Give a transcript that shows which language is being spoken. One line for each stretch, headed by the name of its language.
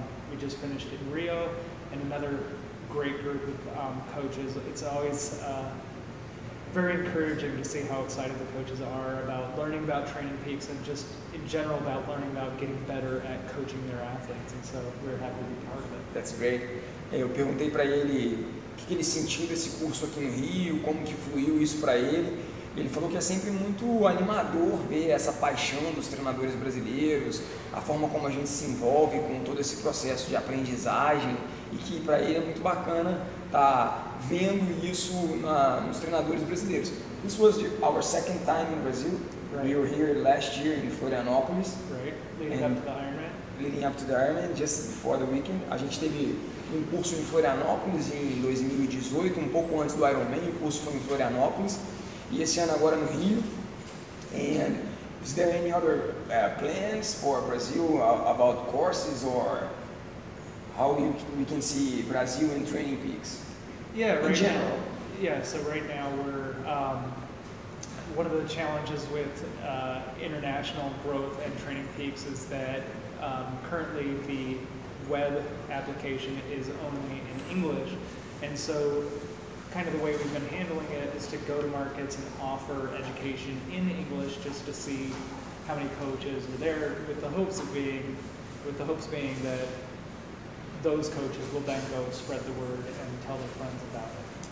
English: We just finished in Rio, and another great group of coaches. It's always very encouraging to see how excited the coaches are about learning about Training Peaks and just in general about learning about getting better at coaching their athletes, and so we're happy to be part of it. That's great.
Portuguese: Eu perguntei para ele o que ele sentiu desse curso aqui no Rio, como que fluiu isso para ele. Ele falou que é sempre muito animador ver essa paixão dos treinadores brasileiros, a forma como a gente se envolve com todo esse processo de aprendizagem, e que para ele é muito bacana estar vendo isso nos treinadores brasileiros.
English: This was our second time in Brazil. Right. We were here last year in Florianópolis. Right. Leading up to the Ironman. Leading up to the Ironman, just before the weekend.
Portuguese: A gente teve um curso em Florianópolis em 2018, um pouco antes do Ironman, o curso foi em Florianópolis. E esse ano agora no Rio.
English: And is there any other plans for Brazil about courses or how we can see Brazil in Training Peaks? Yeah, in general. So right now we're one of the challenges with international growth and Training Peaks is that currently the web application is only in English, and so kind of the way we've been handling it is to go to markets and offer education in English just to see how many coaches are there, with the hopes being that those coaches will then go spread the word and tell their friends about it.